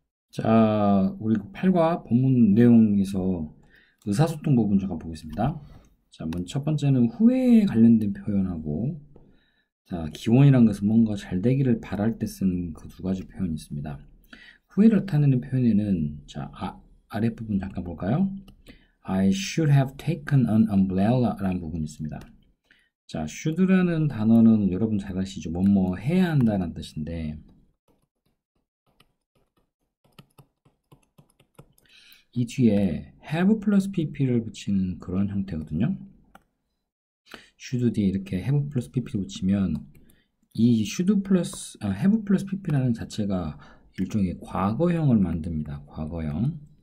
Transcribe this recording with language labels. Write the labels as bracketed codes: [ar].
[ko] 자, 우리 8과 본문 내용에서 의사소통 부분 잠깐 보겠습니다. 자, 먼저 첫 번째는 후회에 관련된 표현하고, 자, 기원이란 것은 뭔가 잘 되기를 바랄 때 쓰는 그두 가지 표현이 있습니다. 후회를 나타내는 표현에는, 자, 아래 부분 잠깐 볼까요? [en] I should have taken an umbrella 라는 부분이 있습니다. [ko] 자, should라는 단어는 여러분 잘 아시죠? 뭐뭐 해야 한다는 뜻인데, 이 뒤에 have plus pp를 붙이는 그런 형태거든요. should 뒤에 이렇게 have plus pp를 붙이면 이 should plus, have plus pp라는 자체가 일종의 과거형을 만듭니다. 과거형.